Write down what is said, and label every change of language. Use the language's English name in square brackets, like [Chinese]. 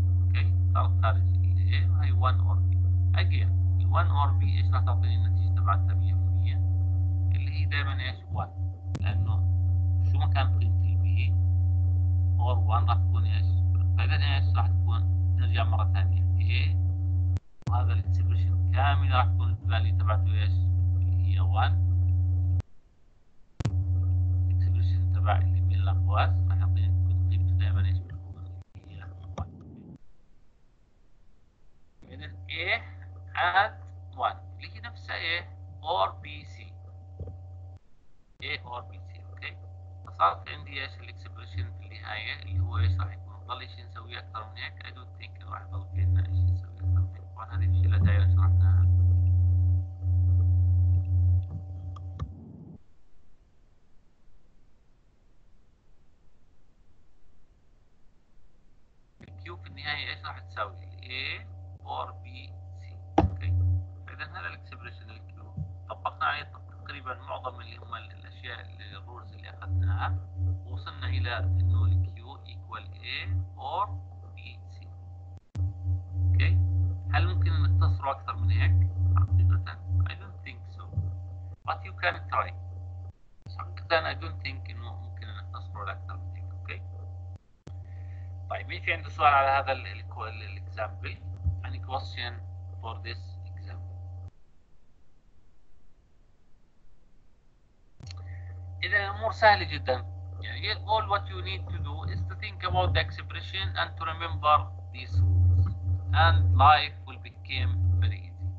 [Arabic] اوكي صارت خارج ال a هاي 1 or b again ال 1 or b ايش راح تعطيني النتيجة تبعتها 100% اللي هي دائما ايش 1 لانه شو ما كان قيمة ال b or 1 راح تكون ايش فاذا ايش راح تكون نرجع مرة ثانية a وهذا الاكسبريشن كامل راح تكون الفاليو تبعته ايش اللي هي 1 اللي من الأقواس راح يعطيني قيمة دائما ايش بتكون هي الأقواس. إذن A and 1 اللي هي نفسها A or BC. A or BC اوكي. فصارت عندي ايش الاكسبريشن في النهاية اللي هو ايش راح يكون؟ ضل ايش نسوي أكثر من هيك؟ [English] I don't think [Arabic] راح يضل فينا ايش نسوي أكثر من هيك. طبعا هذه الشيء اللي دايما شرحناها. النهاية ايش راح تساوي A or B C. اوكي اذا هذا الاكسبريشن الكيو طبقنا عليه تقريبا معظم اللي هم الاشياء الرولز اللي اخذناها وصلنا الى انه الكيو ايكوال A or B C. اوكي هل ممكن نختصره اكثر من هيك حقيقة؟ [English] I don't think so but you can try. [Arabic] حقيقة انا [English] don't think [Arabic] انه ممكن نختصره لاكثر من هيك. اوكي طيب مين في عنده سؤال على هذا الاكزامبل؟ [English] Any question for this example؟ [Arabic] إذا الأمور سهلة جدا يعني [English] all what you need to do is to think about the expression and to remember these rules and life will become very easy.